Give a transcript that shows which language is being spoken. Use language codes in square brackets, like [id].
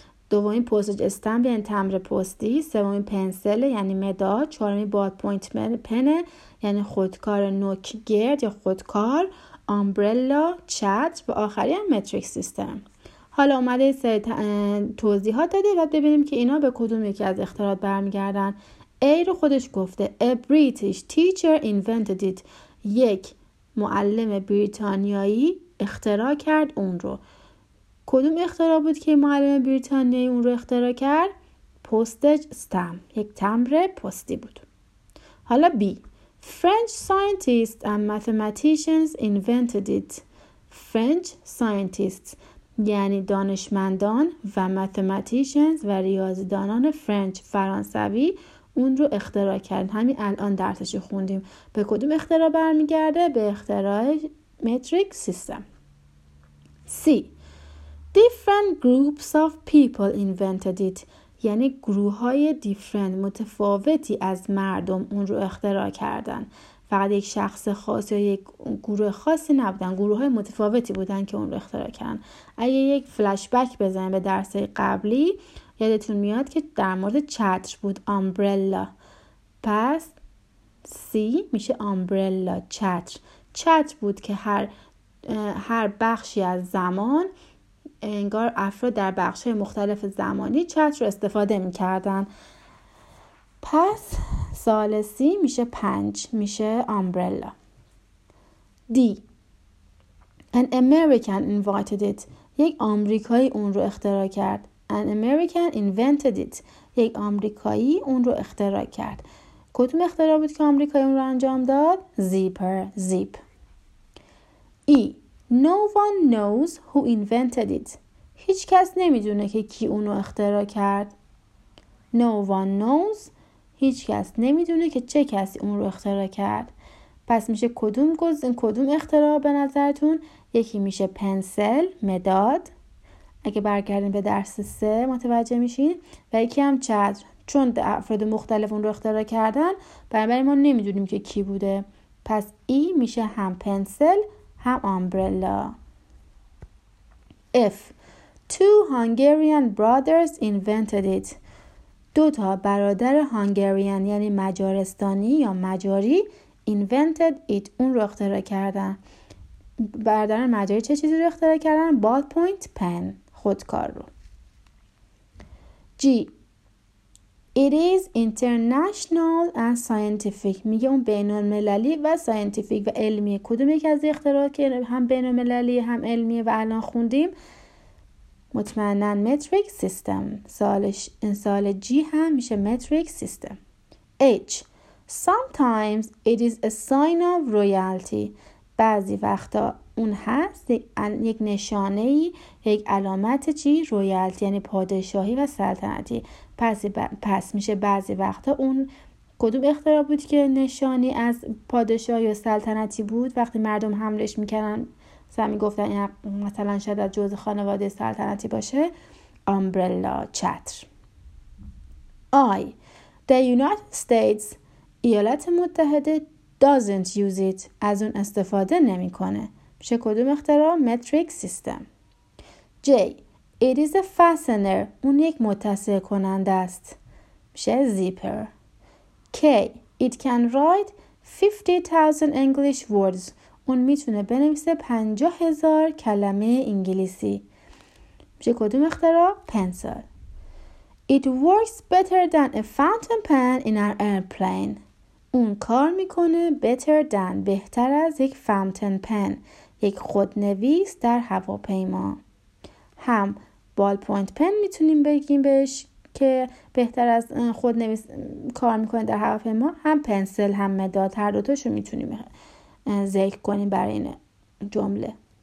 [fa] دومی پوستج استمپ یعنی تمر پستی. سومی پنسل یعنی مداد. چهارمی بالت پوینت پن یعنی خودکار نوک گرد یا خودکار. امبرلا، چتر و آخری هم متریک سیستم. حالا اومده توضیحات داده و ببینیم که اینا به کدوم یکی از اختراعات برمیگردن. ای رو خودش گفته [en] A British teacher invented it. [fa] یک معلم بریتانیایی اختراع کرد اون رو. کدوم اختراع بود که معلم بریتانیایی اون رو اختراع کرد؟ پوستج استم، یک تمر پستی بود. حالا بی [en] French scientists and mathematicians invented it. French scientists [fa] یعنی دانشمندان و mathematicians و ریاضیدانان French فرانسوی اون رو اختراع کردن. همین الان درسش رو خوندیم. به کدوم اختراع برمیگرده؟ به اختراع metric system. [en] C. Different groups of people invented it. [fa] یعنی گروه های دیفرند، متفاوتی از مردم اون رو اختراع کردن. فقط یک شخص خاص یا یک گروه خاصی نبودن، گروه های متفاوتی بودن که اون رو اختراع کردن. اگه یک فلشبک بزنیم به درس قبلی، یادتون میاد که در مورد چتر بود، امبرلا. پس سی میشه امبرلا، چتر. چتر بود که هر بخشی از زمان، انگار افراد در بخش‌های مختلف زمانی چتر رو استفاده می‌کردن. پس سال سی میشه 5، میشه امبرلا. [en] D. An American invented it. [fa] یک آمریکایی اون رو اختراع کرد. [en] An American invented it. [fa] یک آمریکایی اون رو اختراع کرد. کدوم اختراع بود که آمریکایی اون رو انجام داد؟ زیپر، زیپ. [en] E. No one knows who invented it. [fa] هیچ کس نمیدونه که کی اونو اختراع کرد. [en] No one knows. [fa] هیچ کس نمیدونه که چه کسی اون رو اختراع کرد. پس میشه کدوم اختراع به نظرتون؟ یکی میشه پنسل، مداد. اگه برگردیم به درس 3 متوجه میشین. و یکی هم چتر. چون افراد مختلف اون رو اختراع کردن، برای ما نمیدونیم که کی بوده. پس ای میشه هم پنسل، هم امبرلا. [en] F. Two Hungarian brothers invented it. [fa] دو تا برادر هانگریان یعنی مجارستانی یا مجاری [en] invented it [fa] اون رو اختراع کردن. برادران مجاری چه چیزی رو اختراع کردن؟ ballpoint pen، خودکار رو. [en] G. It is international and scientific. [fa] میگه اون بین‌المللی و ساینتیفیک و علمیه. کدوم یکی از اختراعات که هم بین‌المللی هم علمیه و الان خوندیم؟ مطمئنن متریک سیستم. سال جی هم میشه متریک سیستم. [en] H. Sometimes it is a sign of royalty. [fa] بعضی وقتا اون هست یک نشانه ای، یک علامت چی؟ رویالتی، یعنی پادشاهی و سلطنتی. پس میشه بعضی وقتا اون کدوم اختراع بود که نشانی از پادشاه یا سلطنتی بود؟ وقتی مردم حملش میکنن سمی گفتن این مثلا شاید از جزء خانواده سلطنتی باشه. امبرلا، چتر. آی The United States ایالات متحده [en] doesn't use it [fa] از اون استفاده نمی کنه. میشه کدوم اختراع؟ متریک سیستم. جی [en] It is a fastener [fa] اون یک متصل کننده است. میشه زیپر. کی [en] It can write 50,000 English words [fa] اون میتونه بنویسه 50,000 کلمه انگلیسی. میشه کدوم اختراع؟ پنسل. [en] It works better than a fountain pen in an airplane. [fa] اون کار میکنه [en] better than [fa] بهتر از یک fountain pen یک خودنویس در هواپیما. هم ballpoint pen میتونیم بگیم بهش که بهتر از خودنویس کار میکنه در هواپیما، هم پنسل هم مداد هر دوتاشو میتونیم ذکر کنیم برای این جمله.